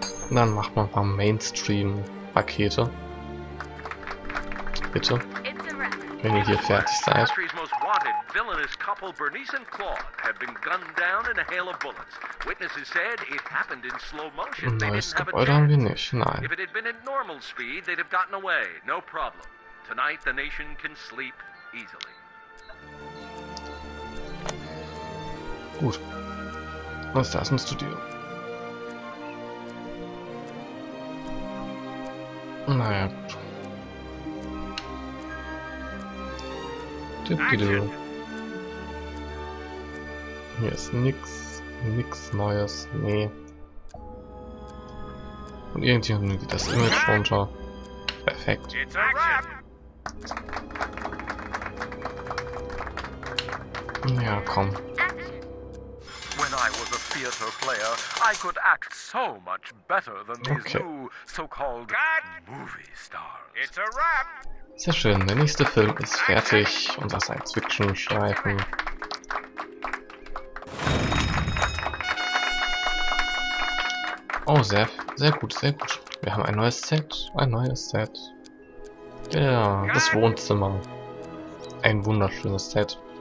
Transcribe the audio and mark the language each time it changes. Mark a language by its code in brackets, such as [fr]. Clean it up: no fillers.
[de] Dann macht man ein paar Mainstream-Pakete. Bitte. Wenn ihr hier fertig seid. [en] Villainous couple Bernice and Claude have been gunned down in a hail of bullets. Witnesses said it happened in slow motion. [de] Neues Gebäude haben wir nicht, nein. [en] If it had been at normal speed, they'd have gotten away, no problem. Tonight the nation can sleep easily. [de] Gut. Was ist das im Studio? Naja, gut. Hier ist nichts Neues, nee. Und irgendjemand geht das Image runter. Perfekt. Ja, komm. [en] When I was a theater player, I could act so much better than these new so-called movie stars. It's a wrap. [de] Sehr schön, der nächste Film ist fertig, unser Science-Fiction-Streifen. Oh, sehr, sehr gut, sehr gut. Wir haben ein neues Set. Ja, das Wohnzimmer. Ein wunderschönes Set.